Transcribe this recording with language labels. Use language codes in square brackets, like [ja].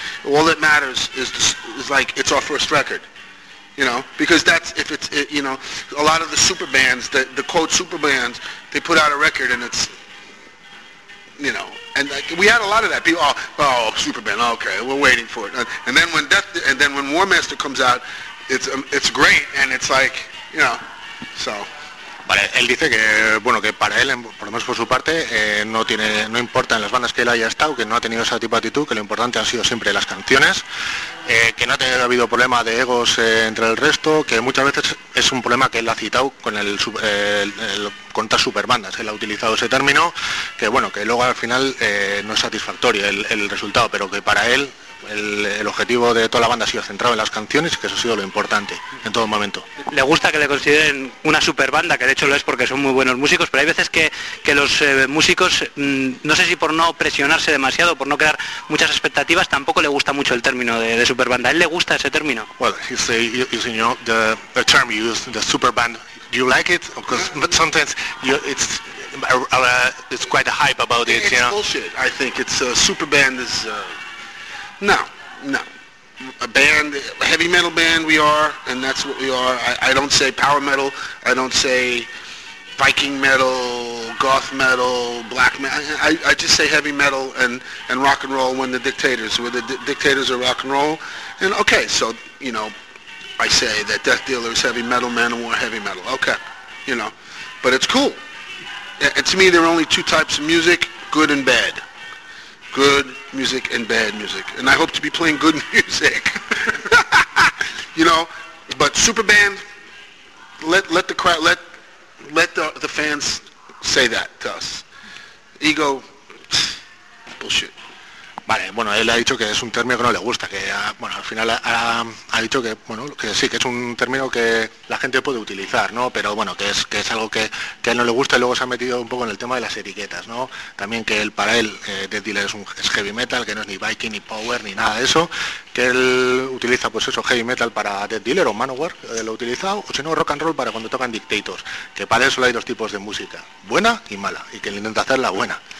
[en] All that matters is like it's our first record, you know, because that's a lot of the super bands, the quote super bands, they put out a record and it's, you know, and we had a lot of that. People, Superman, okay, we're waiting for it. And then when War Master comes out, it's great, and it's like, you know, so. [es] Vale, él dice que, bueno, que para él, por lo menos por su parte, no importa en las bandas que él haya estado, que no ha tenido ese tipo de actitud, que lo importante han sido siempre las canciones, que no ha habido problema de egos entre el resto, que muchas veces es un problema que él ha citado con el contra superbandas, él ha utilizado ese término, que bueno, que luego al final no es satisfactorio el resultado, pero que para él el objetivo de toda la banda ha sido centrado en las canciones y que eso ha sido lo importante en todo momento. Le gusta que le consideren una super banda, que de hecho lo es porque son muy buenos músicos, pero hay veces que los músicos, no sé si por no presionarse demasiado, por no crear muchas expectativas, tampoco le gusta mucho el término de super banda. ¿A él le gusta ese término? [en] Well, the term you use, the super band, do you like it? Because sometimes it's quite a hype about it, it's, you know? Bullshit. I think it's super band is No. A band, a heavy metal band we are, and that's what we are. I don't say power metal, I don't say Viking metal, goth metal, black metal. I just say heavy metal and rock and roll when the dictators, where the dictators are rock and roll. And okay, so, you know, I say that Death Dealer is heavy metal, Manowar heavy metal. Okay, you know, but it's cool. And to me, there are only two types of music, good and bad. Good music and bad music. And I hope to be playing good music. You know, but Superband, let the fans say that to us. Ego, bullshit. [es] Vale, bueno, él ha dicho que es un término que no le gusta, que bueno, al final ha dicho que bueno, que sí, que es un término que la gente puede utilizar, ¿no? Pero bueno, que es algo que a él no le gusta, y luego se ha metido un poco en el tema de las etiquetas, ¿no? También que él, para él, Death Dealer es heavy metal, que no es ni Viking ni Power ni nada de eso, que él utiliza pues eso, heavy metal para Death Dealer o Manowar, lo ha utilizado, o si no, rock and roll para cuando tocan Dictators, que para él solo hay dos tipos de música, buena y mala, y que él intenta hacer la buena.